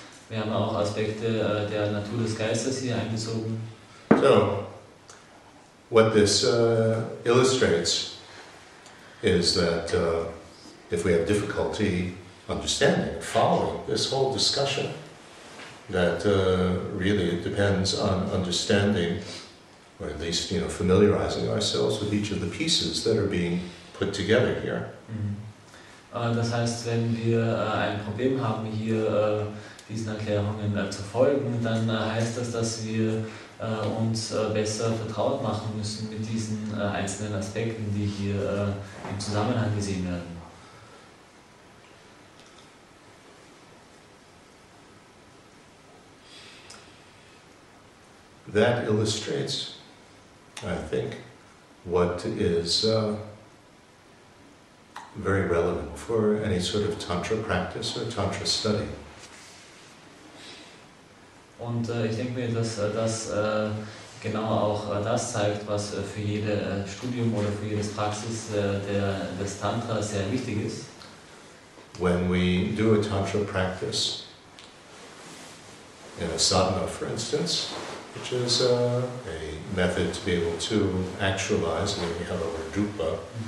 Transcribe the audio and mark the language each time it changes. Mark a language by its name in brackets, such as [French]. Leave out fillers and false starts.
[German] Wir haben auch Aspekte der Natur des Geistes hier einbezogen. [English] So, what this illustrates is that if we have difficulty understanding, following this whole discussion, that really it depends on understanding or at least, you know, familiarizing ourselves with each of the pieces that are being put together here. [German] Das heißt, wenn wir ein Problem haben, hier diesen Erklärungen zu folgen, dann heißt das, dass wir uns besser vertraut machen müssen mit diesen einzelnen Aspekten, die hier im Zusammenhang gesehen werden. [English] That illustrates, I think, what is very relevant for any sort of tantra practice or tantra study. [German] Und ich denke mir, dass das genau auch das zeigt, was für jedes Studium oder für jedes Praxis des Tantra sehr wichtig ist. [English] When we do a tantra practice in a sadhana, for instance, which is a method to be able to actualize, and then we have our dupa,